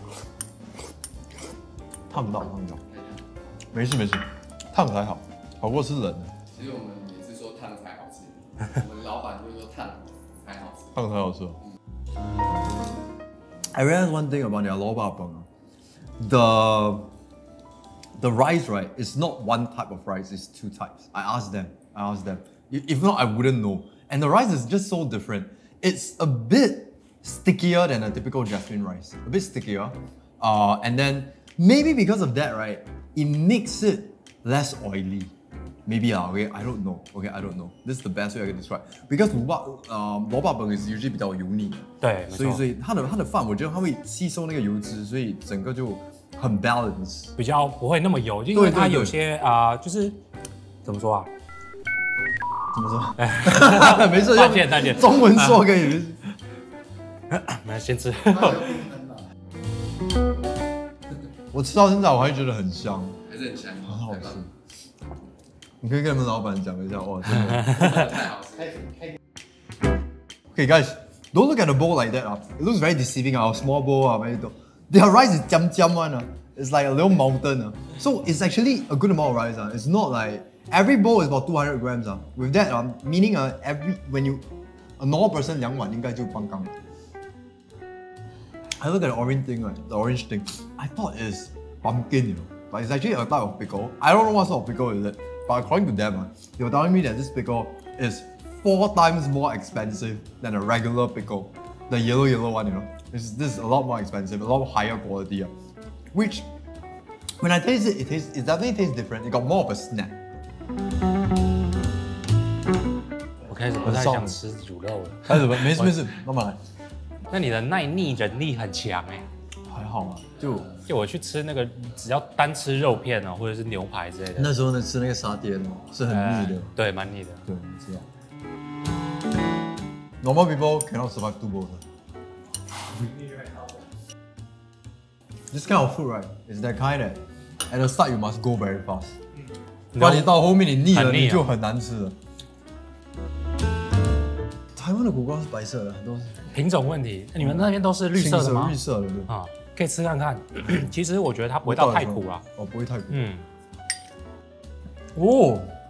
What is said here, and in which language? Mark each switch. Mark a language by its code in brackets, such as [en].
[zh] 嗯，好好好，烫到，没事，烫才好过是冷的。其实我们也是说烫才好吃，我们老板就是说烫才好吃、嗯。 [en] I realize one thing about your 萝卜饭 the rice right is not one type of rice, it's two types. I asked them, if not I wouldn't know. And the rice is just so different. It's a bit stickier than a typical Jasmine rice. A bit stickier. And then maybe because of that, right, it makes it less oily. Maybe, okay, I don't know. This is the best way I can describe. Because 萝卜饭 is usually 比较油腻。 [zh] 对，所以它的饭，我觉得它会吸收那个油脂，所以整个就很 balanced。比较不会那么油，因为它有些就是怎么说啊？怎么说？没事，再见再见。中文说可以。那先吃。我吃到现在，我还觉得很香，还是很香，很好吃。你可以跟你们老板讲一下，哇，太好吃。 [en] Okay, guys, don't look at the bowl like that. It looks very deceiving. Our small bowl, very little. Their rice is 尖尖 one. It's like a little mountain. So it's actually a good amount of rice. It's not like. Every bowl is about 200 grams. With that, meaning a normal person 两碗应该就刚刚。 I look at the orange thing, right? The orange thing. I thought it's pumpkin, you know, but it's actually a type of pickle. I don't know what sort of pickle is it, but according to them, they were telling me that this pickle is 4 times more expensive than a regular pickle, the yellow one, you know. This is a lot more expensive, a lot higher quality. Which, when I taste it, it definitely tastes different. It got more of a snap. [zh] 我开始不太想吃卤肉了。开始吧，没事，慢慢来。那你的耐腻忍力很强哎、欸。还好嘛，就我去吃那个只要单吃肉片哦，或者是牛排之类的。那时候呢，吃那个沙爹哦，是很腻的。对，蛮腻的。对，你知道。 [en] Normal people cannot survive two bowls. This kind of food, right, is that kind that at the start you must go very fast. [zh] 不然你到后面你腻了，你就很难吃了。台湾的苦瓜是白色的，很多品种问题。你们那边都是绿色的吗？绿色的，对。啊，可以吃看看。其实我觉得它不会到太苦啊。哦，不会太苦。嗯。哦。